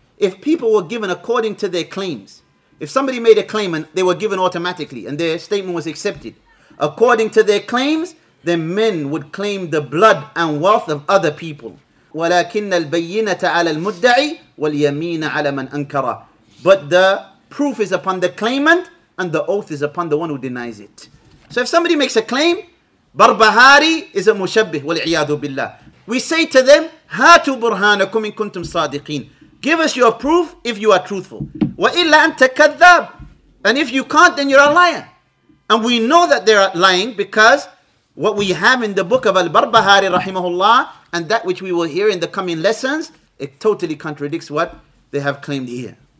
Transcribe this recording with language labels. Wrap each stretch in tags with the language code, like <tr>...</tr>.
<en>If people were given according to their claims, if somebody made a claim and they were given automatically and their statement was accepted, according to their claims, then men would claim the blood and wealth of other people.</en> <ar>وَلَكِنَّ الْبَيِّنَةَ عَلَى الْمُدَّعِي وَالْيَمِينَ عَلَى مَنْ أَنْكَرَ.</ar> <en>But the proof is upon the claimant and the oath is upon the one who denies it. So if somebody makes a claim, Barbahari is a mushabbih,</en> <ar>وَالْعِيَادُ بِاللَّهِ.</ar> <en>We say to them,</en> <ar>هَاتُوا بُرْهَانَكُمْ إِن كُنْتُمْ صَادِقِينَ.</ar> <en>Give us your proof if you are truthful.</en> <ar>وَإِلَّا أَنْتَ كَذَّاب.</ar> <en>And if you can't, then you're a liar. And we know that they're lying because what we have in the book of Al-Barbahari rahimahullah and that which we will hear in the coming lessons, it totally contradicts what they have claimed here.</en>